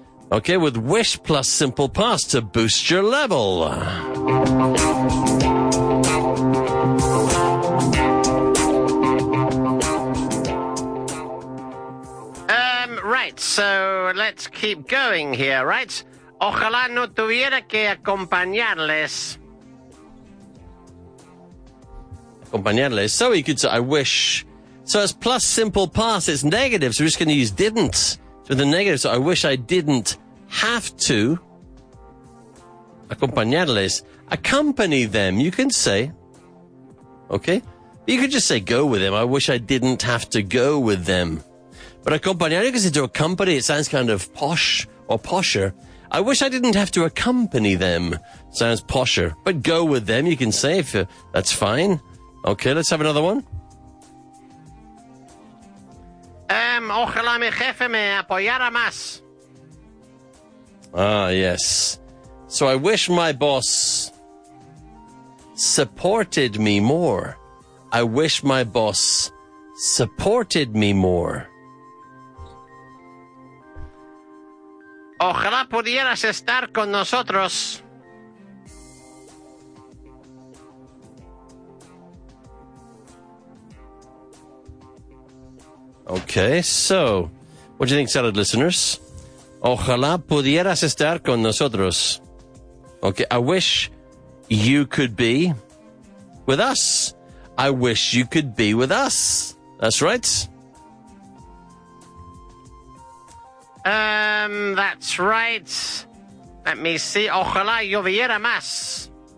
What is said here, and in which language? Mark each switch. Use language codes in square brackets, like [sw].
[en] Okay, with wish plus simple past to boost your level. Right, so let's keep going here, right? [es] Ojalá no tuviera que acompañarles. [en] Acompañarles. So you could say, I wish. So it's plus simple past, it's negative. So we're just going to use didn't for the negative. So I wish I didn't have to acompañarles, accompany them, you can say. Okay? You could just say go with them. I wish I didn't have to go with them. But acompañar, you can say to accompany, it sounds kind of posh or posher. I wish I didn't have to accompany them, sounds posher. But go with them, you can say, if that's fine. Okay, let's have another one. [es] Ojalá mi jefe me apoyara más. [en] Ah, yes. So I wish my boss supported me more. I wish my boss supported me more. [es] Ojalá pudieras estar con nosotros. [en] Okay, so what do you think, salad listeners? [es] Ojalá pudieras estar con nosotros. [en] Okay, I wish you could be with us. I wish you could be with us. That's right. That's right. Let me see. [es] Ojalá lloviera más.